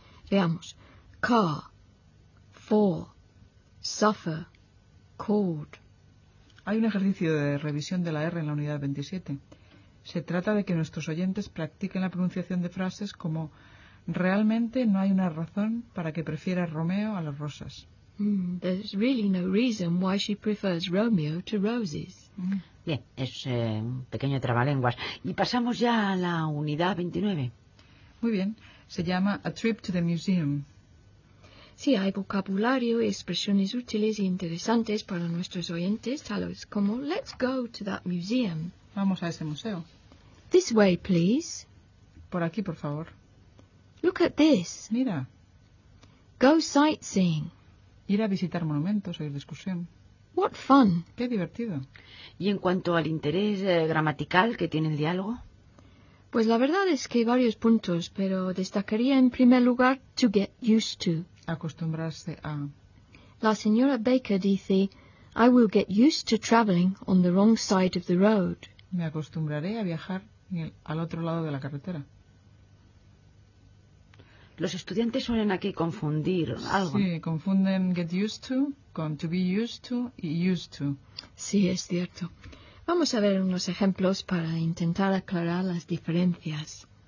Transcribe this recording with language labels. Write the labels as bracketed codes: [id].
[es] Veamos. [en] Car, for, suffer, cord. [es] Hay un ejercicio de revisión de la R en la unidad 27. Se trata de que nuestros oyentes practiquen la pronunciación de frases como realmente no hay una razón para que prefiera Romeo a las rosas. [en] There's really no reason why she prefers Romeo to roses. [es] Bien, es un pequeño trabalenguas. Y pasamos ya a la unidad 29. Muy bien, se llama [en] A Trip to the Museum. [es] Sí, hay vocabulario y expresiones útiles e interesantes para nuestros oyentes, tales como [en] Let's go to that museum. [es] Vamos a ese museo. [en] This way, please. [es] Por aquí, por favor. [en] Look at this. [es] Mira. [en] Go sightseeing. [es] Ir a visitar monumentos o ir de excursión. [en] What fun. [es] Qué divertido. ¿Y en cuanto al interés gramatical que tiene el diálogo? Pues la verdad es que hay varios puntos, pero destacaría en primer lugar [en] to get used to. [es] Acostumbrarse a. La señora Baker dice, [en] I will get used to traveling on the wrong side of the road. [es] Me acostumbraré a viajar al otro lado de la carretera. Los estudiantes suelen aquí confundir algo. Sí, confunden [en] get used to [es] con [en] to be used to [es] y used to. Sí, es cierto. Vamos a ver unos ejemplos para intentar aclarar las diferencias.